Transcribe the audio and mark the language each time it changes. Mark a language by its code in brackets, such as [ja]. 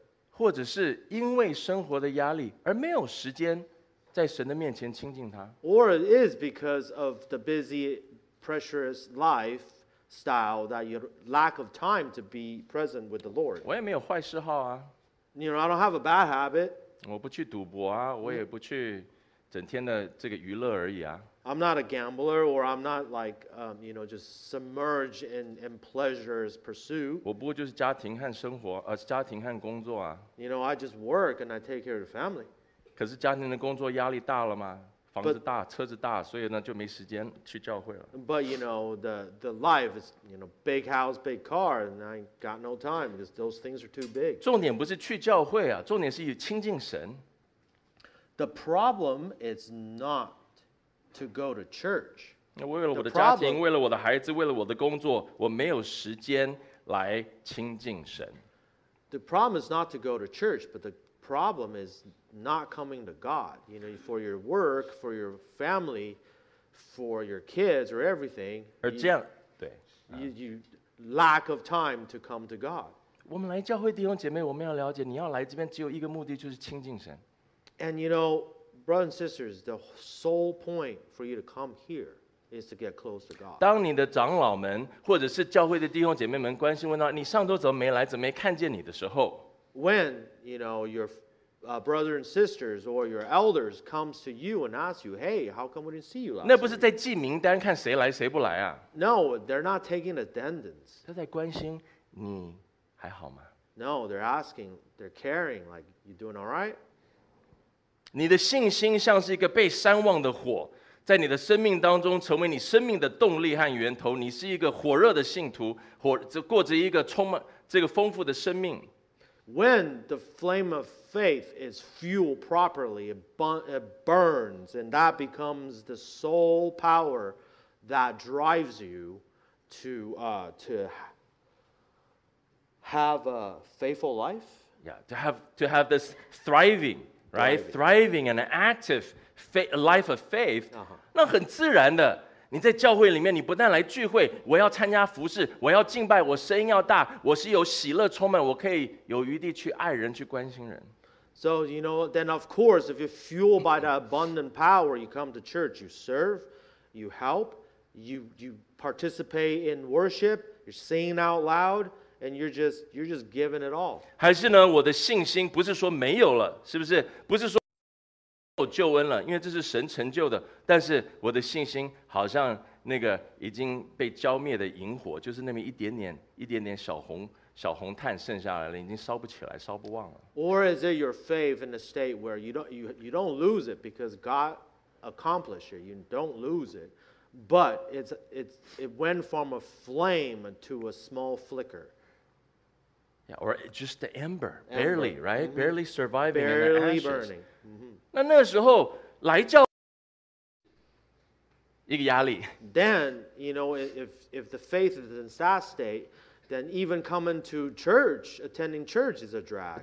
[zh] 或者是因为生活的压力而没有时间在神的面前亲近他 [en] or it is because of the busy, pressurous lifestyle that you lack of time to be present with the Lord. [zh] 我也没有坏嗜好啊 [en] you know, I don't have a bad habit. [zh] 我不去赌博啊我也不去整天的这个娱乐而已啊。 [en] I'm not a gambler, or I'm not like, you know, just submerged in pleasures pursuit. [zh] 我不过就是家庭和生活，家庭和工作啊。 [en] You know, I just work and I take care of the family. [zh] 可是家庭的工作压力大了吗？房子大，车子大，所以呢就没时间去教会了。 [en] But you know, the life is, you know, big house, big car, and I got no time because those things are too big. [zh] 重点不是去教会啊，重点是要亲近神。 [en] The problem is not to go to church. [zh] 为了我的家庭，为了我的孩子，为了我的工作，我没有时间来亲近神。 [en] The problem is not to go to church, but the problem is not coming to God. You know, for your work, for your family, for your kids, or everything. [zh] 而这样，对。 [en] You lack of time to come to God. [zh] 我们来教会弟兄姐妹，我们要了解，你要来这边只有一个目的，就是亲近神。 [en] And you know, brothers and sisters, the sole point for you to come here is to get close to God. [zh] 当你的长老们或者是教会的弟兄姐妹们关心问到你上周怎么没来，怎么没看见你的时候 [en] ，When you know your brothers and sisters or your elders comes to you and asks you, "Hey, how come we didn't see you last?" [zh] 那不是在记名单看谁来谁不来啊 [en] ？No, they're not taking attendance. [zh] 他在关心你还好吗 [en] ？No, they're asking, they're caring, like you doing all right? [zh] 你的信心像是一个被煽旺的火，在你的生命当中成为你生命的动力和源头。你是一个火热的信徒，过着一个充满这个丰富的生命。 [en] When the flame of faith is fueled properly, it burns, and that becomes the sole power that drives you to have a faithful life. Yeah, to have this thriving. Right, thriving and an active faith, life of faith. [zh] 那很自然的，你在教会里面，你不但来聚会，我要参加服事，我要敬拜，我声音要大，我是有喜乐充满，我可以有余地去爱人，去关心人。 [en] So you know, then of course, if you're fueled by that abundant power, you come to church, you serve, you help, you participate in worship, you're singing out loud. And you're just giving it all. [zh] 还是呢？我的信心不是说没有了，是不是？不是说没有救恩了，因为这是神成就的。但是我的信心好像那个已经被浇灭的萤火，就是那么一点点、一点点小红炭剩下来了，已经烧不起来，烧不旺了。 [en] Or is it your faith in a state where you don't lose it because God accomplished it? You don't lose it, but it went from a flame to a small flicker. Yeah, or just the ember, barely, ember. Right?、 Mm-hmm. Barely surviving barely in the ashes. Barely burning. [zh] 那那时候来教一个压力。 [en] Then, you know, if the faith is in that state, then even coming to church, attending church is a drag.